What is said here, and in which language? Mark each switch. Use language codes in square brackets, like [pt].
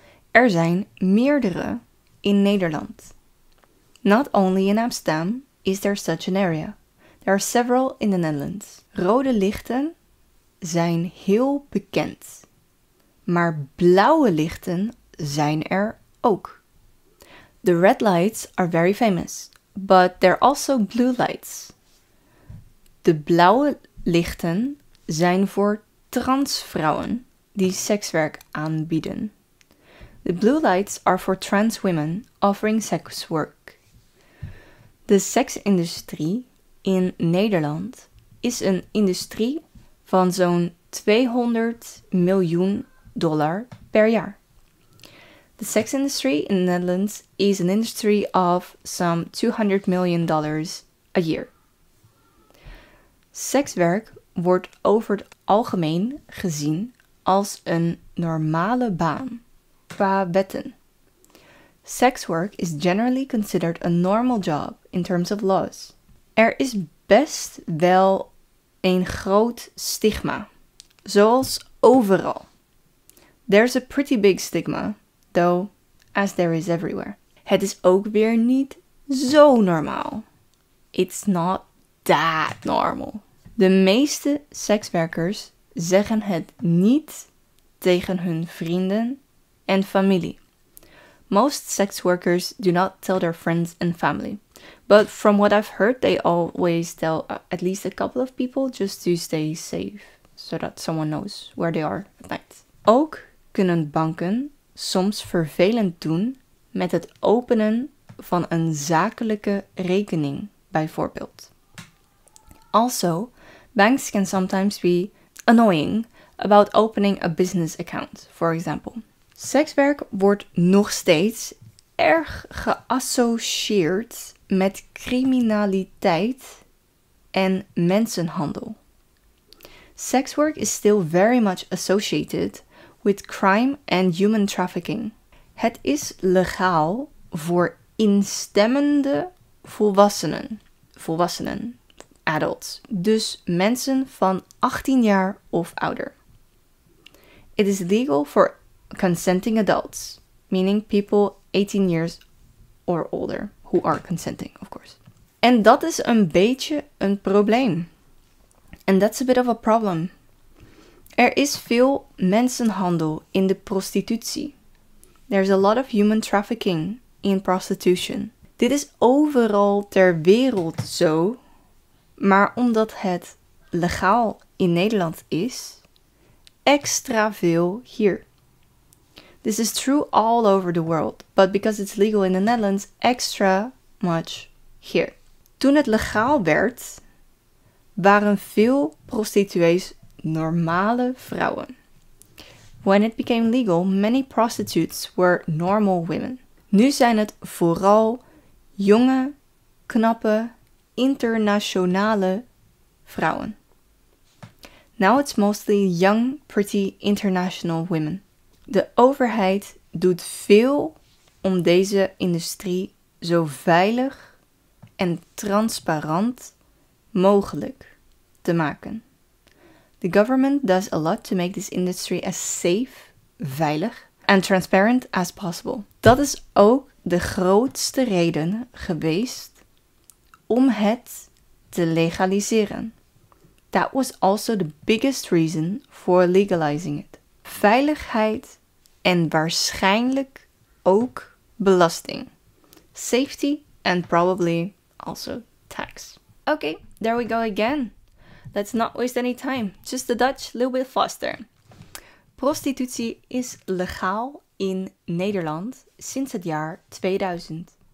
[nl] Er zijn meerdere in Nederland. [en] Not only in Amsterdam is there such an area. There are several in the Netherlands. [nl] Rode lichten zijn heel bekend. Maar blauwe lichten zijn er ook. [en] The red lights are very famous, but there are also blue lights. [nl] De blauwe lichten zijn voor transvrouwen die sekswerk aanbieden. [en] The blue lights are for trans women offering sex work. [nl] De seksindustrie in Nederland is een industrie van zo'n 200 miljoen dollar per jaar. [en] The sex industry in the Netherlands is an industry of some $200 million a year. [nl] Sekswerk wordt over het algemeen gezien als een normale baan qua wetten. [en] Sex work is generally considered a normal job in terms of laws. [nl] Er is best wel een groot stigma, zoals overal. [en] There's a pretty big stigma, though, as there is everywhere. [nl] Het is ook weer niet zo normaal. [en] It's not that normal. [nl] De meeste sekswerkers zeggen het niet tegen hun vrienden en familie. [en] Most sex workers do not tell their friends and family. But from what I've heard, they always tell at least a couple of people just to stay safe, so that someone knows where they are at night. [nl] Ook kunnen banken soms vervelend doen met het openen van een zakelijke rekening, bijvoorbeeld. [en] Also, banks can sometimes be annoying about opening a business account, for example. [nl] Sekswerk wordt nog steeds erg geassocieerd met criminaliteit en mensenhandel. [en] Sex work is still very much associated with crime and human trafficking. [nl] Het is legaal voor instemmende volwassenen. Volwassenen, adults. Dus mensen van 18 jaar of ouder. [en] It is legal for consenting adults, meaning people 18 years or older, who are consenting, of course. [nl] En dat is een beetje een probleem. [en] And that's a bit of a problem. [nl] Er is veel mensenhandel in de prostitutie. [en] There's a lot of human trafficking in prostitution. [nl] Dit is overal ter wereld zo, maar omdat het legaal in Nederland is, extra veel hier. [en] This is true all over the world, but because it's legal in the Netherlands, extra much here. [nl] Toen het legaal werd, waren veel prostituees normale vrouwen. [en] When it became legal, many prostitutes were normal women. [nl] Nu zijn het vooral jonge, knappe, internationale vrouwen. [en] Now it's mostly young, pretty, international women. [nl] De overheid doet veel om deze industrie zo veilig en transparant mogelijk te maken. [en] The government does a lot to make this industry as safe, veilig and transparent as possible. [nl] Dat is ook de grootste reden geweest om het te legaliseren. [en] That was also the biggest reason for legalizing it. [nl] Veiligheid en waarschijnlijk ook belasting. [en] Safety and probably also tax. Okay, there we go again. Let's not waste any time. Just the Dutch, a little bit faster. [nl] Prostitutie is legaal in Nederland sinds het jaar 2000.